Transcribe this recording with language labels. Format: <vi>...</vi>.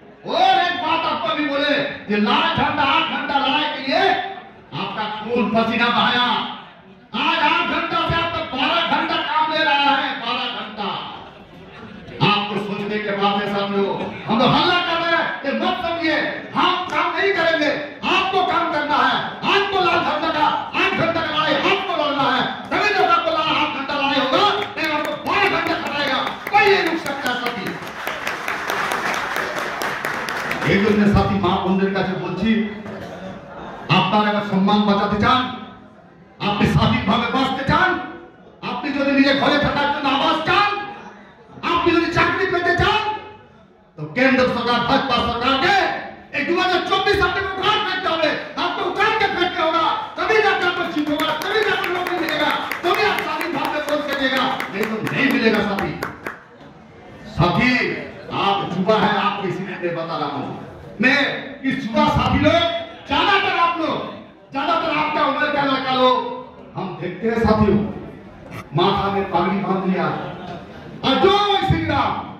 <hi>और एक बात आपको भी बोले, ये लाल झंडा 8 घंटा लड़ाई के लिए आपका खून पसीना बहाया, आज 8 घंटा से आप तक 12 घंटा काम ले रहा है, 12 घंटा आपको सोचने के बाद में समझो, हम तो हल्ला कर रहे हैं ये मत समझिए, हम काम नहीं करेंगे, आपको काम करना है, आपको लाल झंडा का 8 घंटा का लड़ाई आपको लड़ना है, तभी जब आपको लाल 8 घंटा लड़ाई होगा, नहीं आपको 12 घंटा कराएगा, कोई नहीं रुक सकता सभी।</hi> <bn>এই জন্য সাথী মা বন্ধুদের কাছে বলছি, আপনারা আমার সম্মান বাঁচাতে চান, আপনি স্বাধীনভাবে বাঁচতে চান, আপনি যদি নিজে ঘরে থাকার জন্য আবাস চান, আপনি যদি চাকরি পেতে চান, তো কেন্দ্র সরকার ভাজপা সরকারকে 2024 আপনাকে উঠান করতে হবে, আপনি উঠানকে ফেলতে হবে, তবেই যাতে আপনার চিন্তা করা, তবেই যাতে</bn> <hi>নৌকরি মিলেগা,</hi> <bn>তবেই আপনি স্বাধীনভাবে বলতে দেগা,</bn> <hi>নেই তো নেই মিলেগা</hi> <bn>সাথী।</bn> <hi>সাথী आप युवा है, आप किसी ने बता रहा हूं मैं, इस युवा साथी लोग ज्यादातर आप लोग ज्यादातर आपका उम्र क्या लड़का लोग, हम देखते हैं साथियों माथा में पागड़ी बांध लिया, और जो श्रीराम</hi>